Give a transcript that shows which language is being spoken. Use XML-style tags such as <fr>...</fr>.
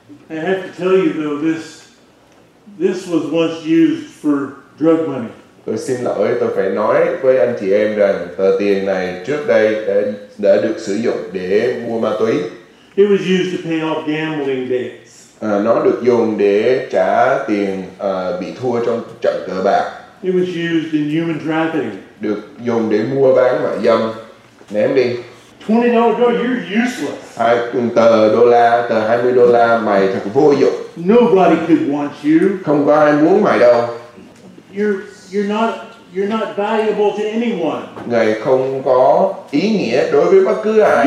<en>I have to tell you though, this was once used for drug money.</en> <vi>Tôi xin lỗi, tôi phải nói với anh chị em rằng tờ tiền này trước đây đã được sử dụng để mua ma túy.</vi> <en>It was used to pay off gambling debts.</en> <vi>Nó được dùng để trả tiền bị thua trong trận cờ bạc.</vi> <en>It was used in human trafficking.</en> <vi>Được dùng để mua bán mại dâm. Ném đi.</vi> <en>$20, you're useless.</en> <vi>Tờ 20 đô la mày thật vô dụng.</vi> <en>Nobody could want you.</en> <vi>Không có ai muốn mày đâu.</vi> <en>You're not valuable to anyone.</en> <vi>Ngài không có ý nghĩa đối với bất cứ ai.</vi>